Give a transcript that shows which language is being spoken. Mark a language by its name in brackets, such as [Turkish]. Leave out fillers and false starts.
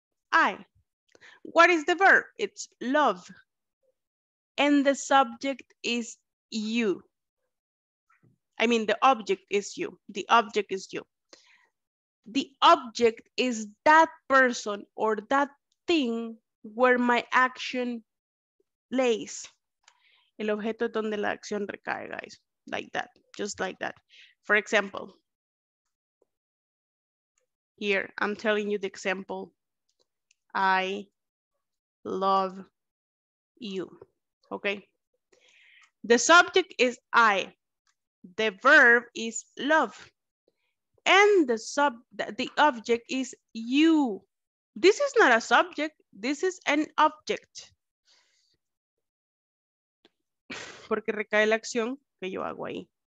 [English] I. What is the verb? It's love. And the subject is you. I mean, the object is you. The object is you. The object is that person or that thing where my action lays. [Spanish] El objeto es donde la acción recae, guys. [English] Like that, just like that. For example, here, I'm telling you the example. I love you, okay? The subject is I, the verb is love. And the object is you. This is not a subject, this is an object. [Spanish] Porque recae la acción que yo hago ahí.